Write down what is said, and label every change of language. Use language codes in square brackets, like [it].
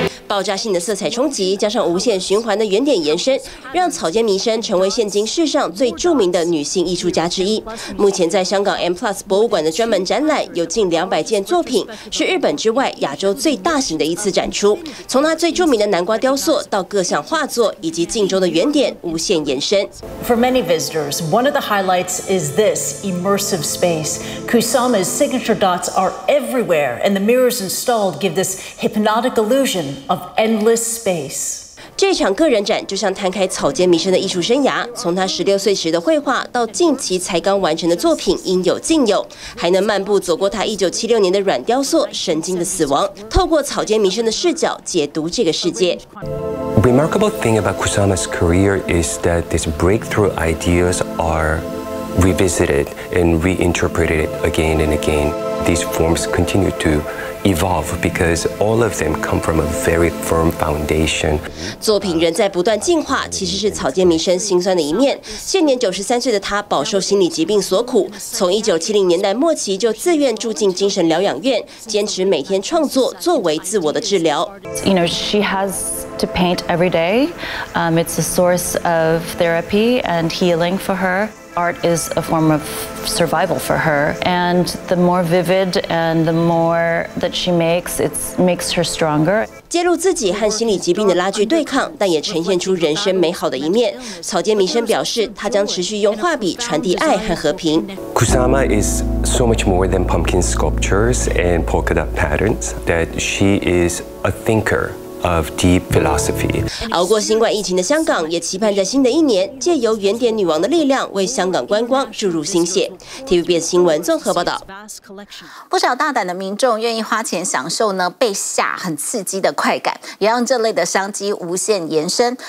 [zh] 爆炸性的色彩冲击，加上无限循环的原点延伸，让草间弥生成为现今世上最著名的女性艺术家之一。目前在香港 M Plus 博物馆的专门展览有近200件作品，是日本之外亚洲最大型的一次展出。从她最著名的南瓜雕塑到各项画作，以及镜中的原点无限延伸。 [en] For many visitors, one of the highlights is this immersive space. Kusama's signature dots are everywhere, and the mirrors installed give this hypnotic illusion of endless space. [zh] 这场个人展就像摊开草间弥生的艺术生涯，从他16岁时的绘画到近期才刚完成的作品，应有尽有。还能漫步走过他1976年的软雕塑《神经的死亡》，透过草间弥生的视角解读这个世界。 [en] Remarkable thing about Kusama's career is that these breakthrough ideas are revisited and reinterpreted again and again. These forms continue to. Evolve because all of them come from a very firm foundation. [zh] 作品仍在不断进化，其实是草间弥生心酸的一面。现年93岁的他饱受心理疾病所苦，从1970年代末期就自愿住进精神疗养院，坚持每天创作作为自我的治疗。 [en] You know, she has to paint every day. It's a source of therapy and healing for her. Art is a form of survival for her, and the more vivid and the more that she makes, it makes her stronger. [zh] 揭露自己和心理疾病的拉锯对抗，但也呈现出人生美好的一面。草间弥生表示，他将持续用画笔传递爱和和平。 [en] Kusama is so much more than pumpkin sculptures and polka dot patterns. That she is a thinker. Of deep philosophy. [zh] 熬过新冠疫情的香港，也期盼在新的一年，借由原点女王的力量，为香港观光注入心血。 TVBS 新闻综合报道。不少大胆的民众愿意花钱享受呢被吓很刺激的快感，也让这类的商机无限延伸。